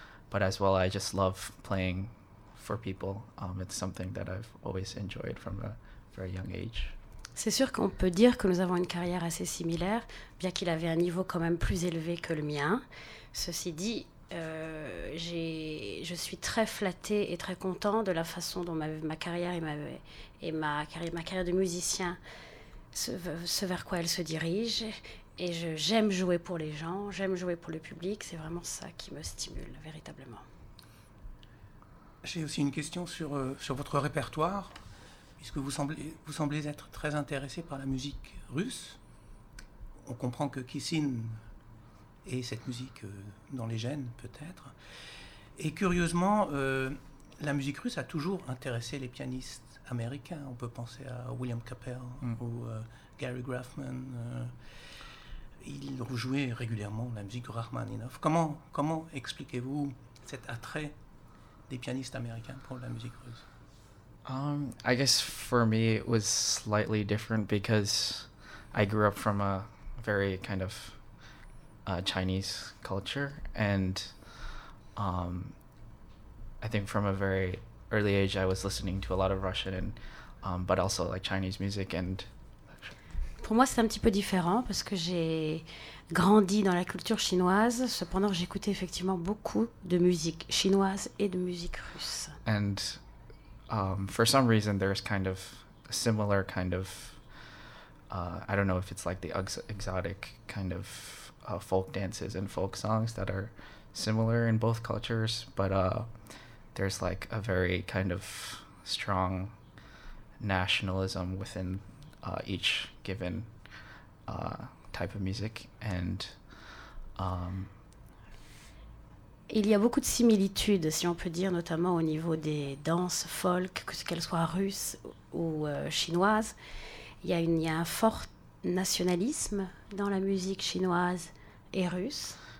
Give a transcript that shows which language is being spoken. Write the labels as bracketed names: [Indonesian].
[English] But as well, I just love playing for people. It's something that I've always enjoyed from a very young age. [French] C'est sûr qu'on peut dire que nous avons une carrière assez similaire, bien qu'il avait un niveau quand même plus élevé que le mien. Ceci dit, je suis très flattée et très contente de la façon dont ma carrière de musicien, ce vers quoi elle se dirige. Et j'aime jouer pour les gens, j'aime jouer pour le public, c'est vraiment ça qui me stimule, véritablement. J'ai aussi une question sur votre répertoire, puisque vous semblez être très intéressé par la musique russe. On comprend que Kissin ait cette musique dans les gènes, peut-être. Et curieusement, la musique russe a toujours intéressé les pianistes américains. On peut penser à William Cappell ou Gary Graffman. Ils ont joué régulièrement la musique de Rachmaninoff. Comment expliquez-vous cet attrait des pianistes américains pour la musique russe? [English] I guess for me it was slightly different because I grew up from a very kind of Chinese culture, and I think from a very early age I was listening to a lot of Russian and but also like Chinese music. And [French] pour moi c'est un petit peu différent parce que j'ai grandi dans la culture chinoise, cependant j'écoutais effectivement beaucoup de musique chinoise et de musique russe. [English] And for some reason there's kind of a similar kind of I don't know if it's like the exotic kind of folk dances and folk songs that are similar in both cultures, but there's like a very kind of strong nationalism within each given type of music. And [French] il y a beaucoup de similitudes, si on peut dire, notamment au niveau des danses folk, que ce qu'elles soient russes ou chinoises. Il y a un fort nationalisme dans la musique chinoise et russe.